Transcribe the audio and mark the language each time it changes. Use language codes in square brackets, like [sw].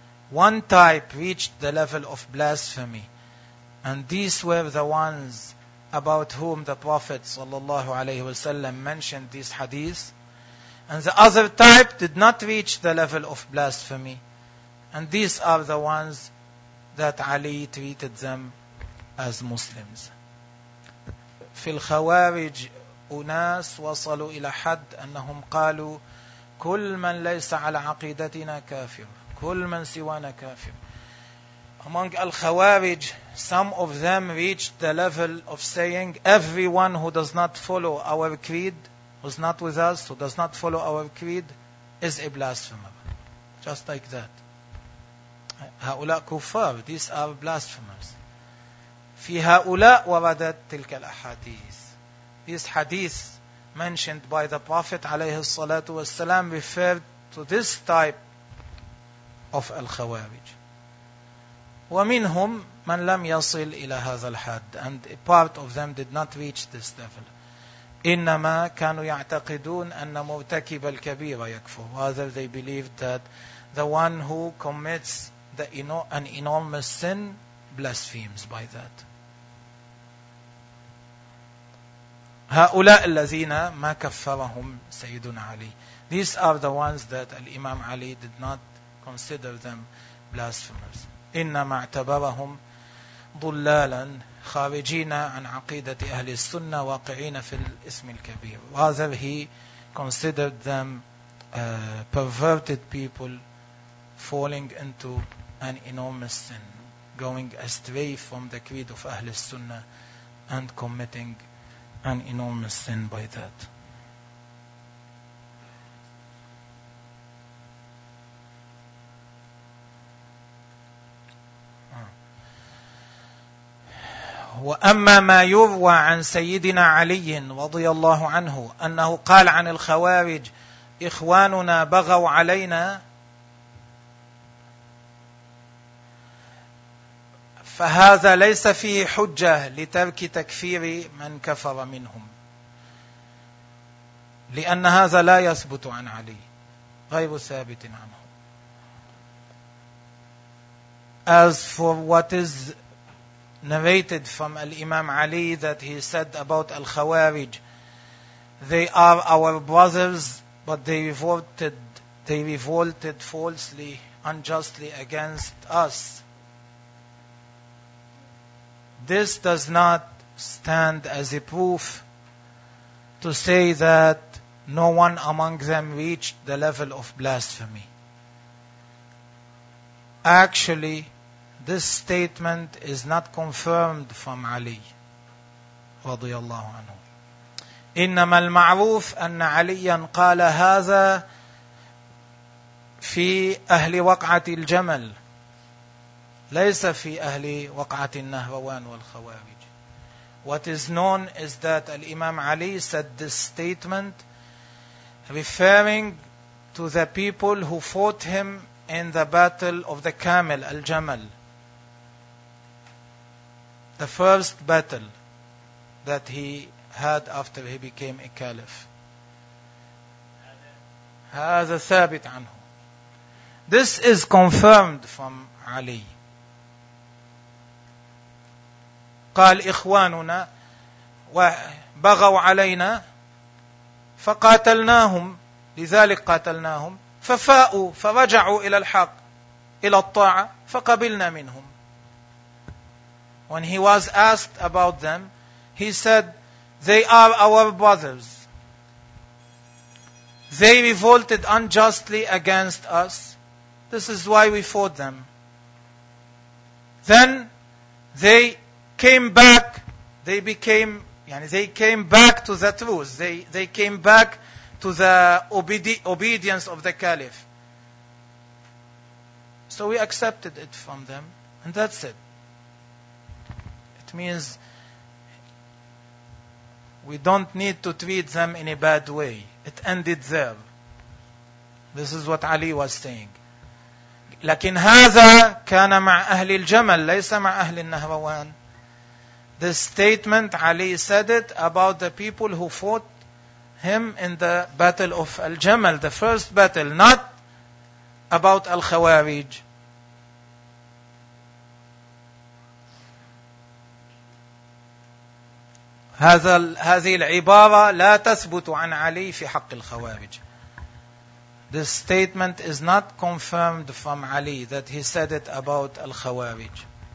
[en] One type reached the level of blasphemy. And these were the ones about whom the Prophet [ar] sallallahu alaihi wasallam [en] mentioned these hadiths. And the other type did not reach the level of blasphemy. And these are the ones that Ali treated them as Muslims. [ar] في الخوارج أناس وصلوا إلى حد أنهم قالوا كل من ليس على عقيدتنا كافر، كل من سوانا كافر. [en] Among Al-Khawarij, some of them reached the level of saying, everyone who does not follow our creed, who's not with us, who does not follow our creed, is a blasphemer. Just like that. [ar] هؤلاء كفار. [en] These are blasphemers. [ar] في هؤلاء وردت تلك الأحاديث. [en] These hadiths mentioned by the Prophet [ar] عليه الصلاة والسلام [en] referred to this type of Al-Khawarij. [ar] ومنهم من لم يصل إلى هذا الحد. [en] And a part of them did not reach this level. [ar] إنما كانوا يعتقدون أن مرتكب الكبيرة يكفر. [en] Rather they believed that the one who commits an enormous sin blasphemes by that. [ar] هؤلاء الذين ما كفرهم سيدنا علي. [en] These are the ones that Imam Ali did not consider them blasphemers. [ar] إنما اعتبرهم ضلالا خارجين عن عقيدة أهل السنة واقعين في الإثم الكبير. [en] Rather he considered them perverted people falling into an enormous sin, going astray from the creed of [ar] أهل السنة [en] and committing an enormous sin by that. [ar] وأما ما يروى عن سيدنا علي رضي الله عنه أنه قال عن الخوارج إخواننا بغوا علينا، فهذا ليس فيه حجة لترك تكفير من كفر منهم، لأن هذا لا يثبت عن علي، غير ثابت عنه. [en] As for what is narrated from Al-Imam Ali that he said about Al-Khawarij, they are our brothers, but they revolted falsely, unjustly against us. This does not stand as a proof to say that no one among them reached the level of blasphemy. Actually, this statement is not confirmed from Ali [ar] رضي الله عنه. إنما المعروف أن علي قال هذا في أهل وقعة الجمل ليس في أهل وقعة النهروان والخوارج. [en] What is known is that Imam Ali said this statement referring to the people who fought him in the battle of the camel, Al-Jamal. the first battle that he had after he became a caliph. [ar] هذا ثابت عنه. [en] This is confirmed from Ali. [ar] قال إخواننا بغوا علينا فقاتلناهم لذلك قاتلناهم ففاءوا فرجعوا إلى الحق إلى الطاعة فقبلنا منهم. [en] When he was asked about them, he said, "They are our brothers. They revolted unjustly against us. This is why we fought them. Then they came back. They became, yani they came back to the truth. They came back to the obedience of the caliph. So we accepted it from them. And that's it. It means we don't need to treat them in a bad way. It ended there. This is what Ali was saying. [ar] لكن هذا كان مع أهل الجمل ليس مع أهل النهروان. [en] The statement Ali said it about the people who fought him in the battle of Al-Jamal, the first battle, not about Al-Khawarij. [ar] هذه العبارة لا تثبت عن علي في حق الخوارج. [en] This statement is not confirmed from Ali that he said it about al-Khawarij.